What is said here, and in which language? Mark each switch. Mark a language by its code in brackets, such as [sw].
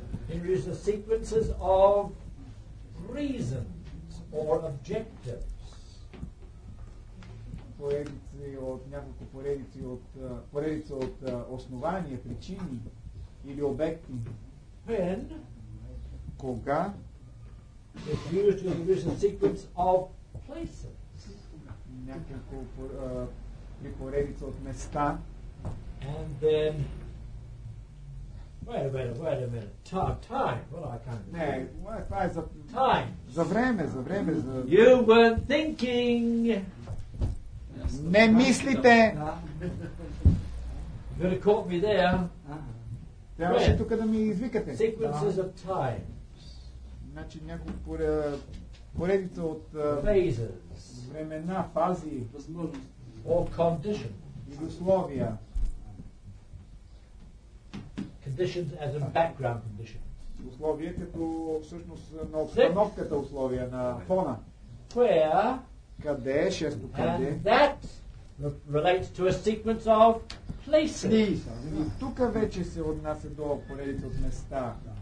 [en] Introduces the sequences of reasons or objectives. [bg] Поредици от няколко поредици от поредица от основания, причини или обекти. [en] When? [bg] Кога? [en] It's used to introduce a sequence of places. [bg] Няколко поредица от места. [en] And then, wait a minute. Time. Well, I can't. [bg] Не, това е за [en] time. [bg] За време. За... [en] You were thinking. [bg] Не мислите. [en] You could have caught me there. [bg] Трябваше тук да ми извикате. [en] Sequences of time. [bg] Значи няколко поредица от [en] phases. [bg] Времена, фази. [en] Or condition. [bg] Или условия. [en] Conditions as a background condition. [bg] Условия като всъщност на обстановката, условия на фона. [en] Where? [bg] Къде? Шесто, къде? [en] And that relates to a sequence of places. [bg] И тук вече се отнася до поредица от места.